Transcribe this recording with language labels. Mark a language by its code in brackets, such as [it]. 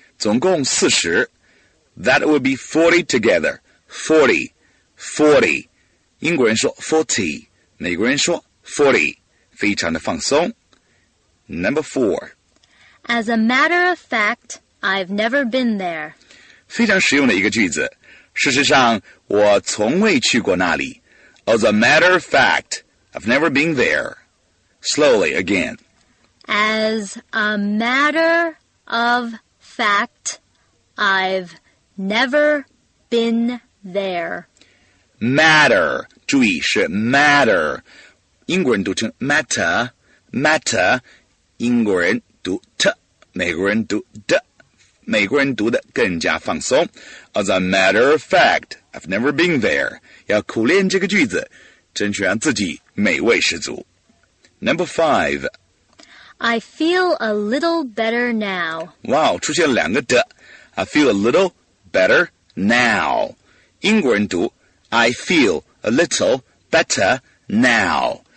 [zh] 总共 [en] 40. That will be 40 together. 40. [zh] 英国人说 40. 美国人说 40. 非常的放松. [en] Number 4. As a matter of fact, I've never been there. [zh] 非常实用的一个句子。事实上，我从未去过那里。 [en] As a matter of fact, I've never been there. Slowly, again. As a matter of fact, I've never been there. [zh] Matter, 注意是 matter. 英国人读成 matter, matter. 英国人读 t, 美国人读 d, 美国人读的更加放松。 [en] As a matter of fact, I've never been there. [zh] 要苦练这个句子，争取让自己美味十足。 [en] Number five. I feel a little better now. Wow, [zh] 出现了两个的。 [en] I feel a little better now. [zh] 英国人读 [en] I feel a little better now.